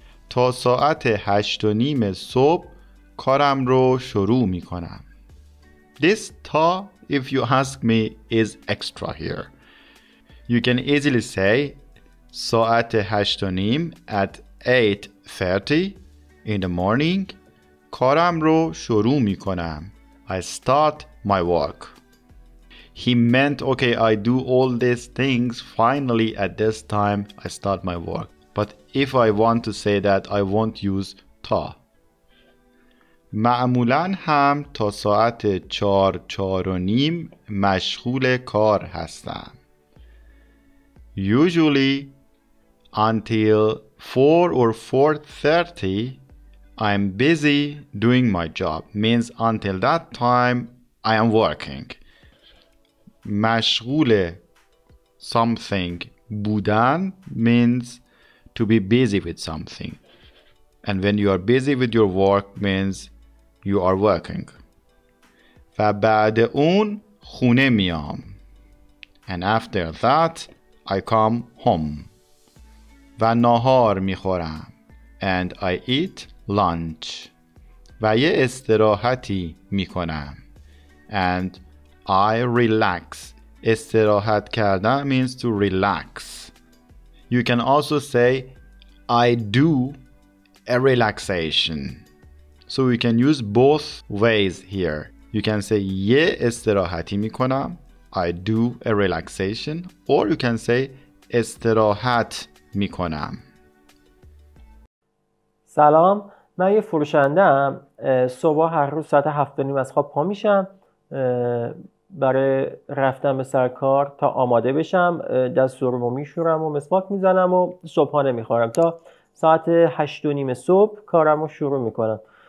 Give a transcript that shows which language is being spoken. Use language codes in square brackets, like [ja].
[fa] تا ساعت 8:30 صبح کارم رو شروع می کنم. [en] This تا, if you ask me, is extra here. You can easily say [fa] ساعت 8:30 [en] at 8:30 in the morning [fa] کارم رو شروع می کنم. [en] I start my work. He meant, okay, I do all these things. Finally, at this time, I start my work. But if I want to say that, I won't use تا. [fa] معمولاً هم تا ساعت 4:00-4:30 مشغول کار هستم. [en] Usually, until 4 or 4:30, I'm busy doing my job. Means until that time, I am working. مشغول something بودن means to be busy with something. And when you are busy with your work means you are working. [fa] و بعد اون خونه میام. [en] And after that I come home. [fa] و نهار میخورم. [en] And I eat lunch. [fa] و یه استراحتی میکنم. [en] And I relax. استراحت کردن means to relax. You can also say I do a relaxation. So we can use both ways here. You can say [fa] یه استراحتی میکنم. [en] I do a relaxation. Or you can say [fa] استراحت میکنم. سلام، من یه فروشنده ام. صبح هر روز ساعت 7:30 از خواب پا میشم برای رفتن به سر کار تا آماده بشم، دستورمو میشورم و مسواک میزنم و صبحانه میخورم تا ساعت 8:30 صبح کارمو شروع میکنم.